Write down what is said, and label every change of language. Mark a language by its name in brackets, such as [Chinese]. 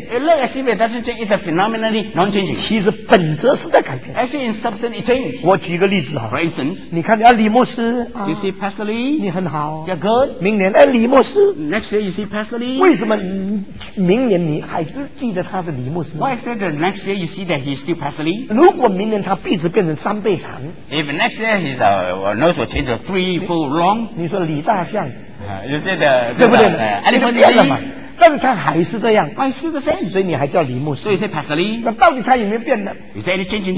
[English] it looks as if it doesn't change is a phenomenally non-changing [Chinese] 其实本质是在改变 [English] actually in substance it changes [Chinese] 我举个例子 [English] for instance [Chinese] 你看李牧师 [English] you see Pastor Lee [Chinese] 你很好 [English] you're good [Chinese] 明年李牧师 [English] next year you see Pastor Lee [Chinese] 为什么明年你还是记得他是李牧师 [English] why is it that next year you see that he's still Pastor Lee [Chinese] 如果明年他鼻子变成三倍长 [English] if next year his nose will change to threefold long [Chinese] 你说李大象 [English] you said the, [Chinese] 对不对 [English] elephant lady [Chinese] 但是他还是这样 [English] I see the same [Chinese] 所以你还叫李牧师 [English] so you say Pastor Lee [Chinese] 那到底他有没有变呢 [English] is there any change in him